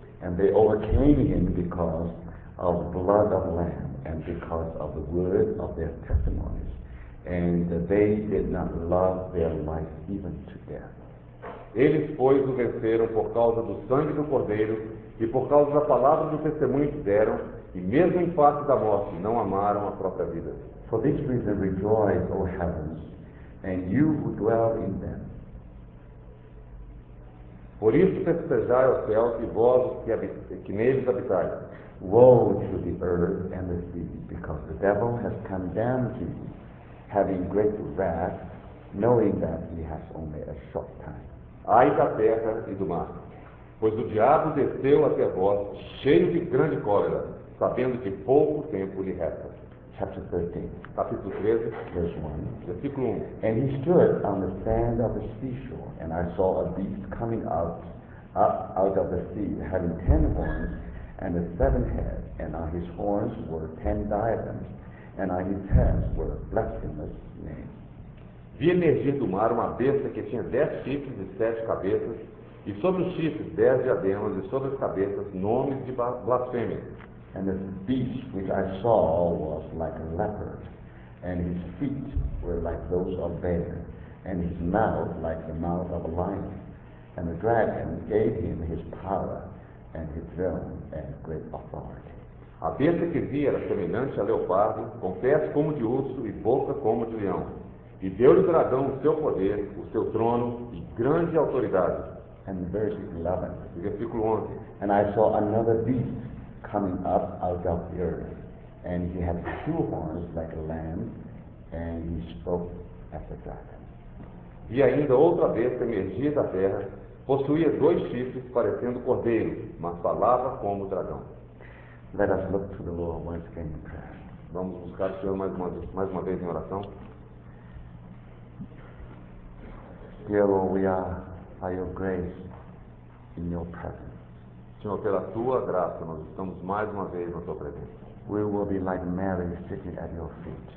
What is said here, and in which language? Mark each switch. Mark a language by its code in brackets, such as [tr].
[en] And they overcame him because of the blood of the Lamb and because of the word of their testimonies. And they did not love their life even to death. [pt] Eles, pois, o venceram por causa do sangue do Cordeiro e por causa da palavra do testemunho que deram, e mesmo em face da morte, não amaram a própria vida. [en] For this reason, rejoice, O heavens, and you who dwell in them. [pt] Por isso, festejai, O céus, e vós que neles habitais. [en] Woe to the earth and the sea, because the devil has come down to you, having great wrath, knowing that he has only a short time. [pt] Ai da terra e do mar, pois o diabo desceu até vós, cheio de grande cólera, sabendo que pouco tempo lhe resta. [en] Chapter 13. [pt] Capítulo 13, [en] verse 1. [pt] Versículo 1. [en] And he stood on the sand of the seashore, and I saw a beast coming out of the sea, having 10 horns, and the seven heads, and on his horns were 10 diadems, and on his heads were blasphemous names. [pt] Vi emergir do mar uma besta que tinha 10 chifres e 7 cabeças, e sobre os chifres 10 diademas, e sobre as cabeças nomes de blasfêmia. [en] And the beast which I saw was like a leopard, and his feet were like those of bear, and his mouth like the mouth of a lion. And the dragon gave him his power, and his throne, and great authority. [pt] A besta que vi era semelhante a leopardo, com pés como de urso e boca como de leão. E deu-lhe o dragão o seu poder, o seu trono e grande autoridade. [en] And verse 11. [pt] Versículo 11. [en] And I saw another beast coming up out of the earth, and he had two horns like a lamb, and he spoke as a dragon. [pt] E ainda outra besta emergia da terra, possuía dois chifres parecendo cordeiro, mas falava como dragão. [en] Let us look to the Lord once again in prayer. [pt] Vamos buscar o Senhor mais uma vez em oração. [en] Dear Lord, we are by your grace in your presence. [pt] Senhor, pela tua graça, nós estamos mais uma vez na tua presença. [en] We will be like Mary sitting at your feet.